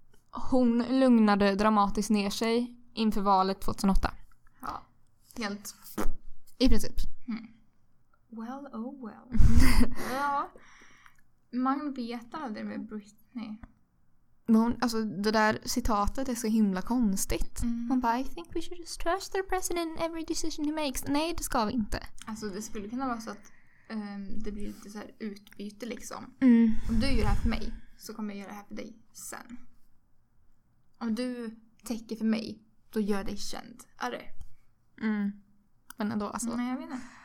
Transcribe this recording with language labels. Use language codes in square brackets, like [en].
[sv] Hon lugnade dramatiskt ner sig inför valet 2008. Ja, helt. I princip. [en] Well, oh well. [sv] Ja. Man vet aldrig med Britney. Hon, alltså, det där citatet är så himla konstigt. Mm. Hon bara, [en] I think we should just trust the president in every decision he makes. [sv] Nej, det ska vi inte. Alltså, det skulle kunna vara så att det blir lite så här utbyte liksom. Mm. Om du gör det här för mig så kommer jag göra det här för dig sen. Om du täcker för mig, då gör dig känd. Är det? Mm. Men ändå alltså. Nej, jag vet inte.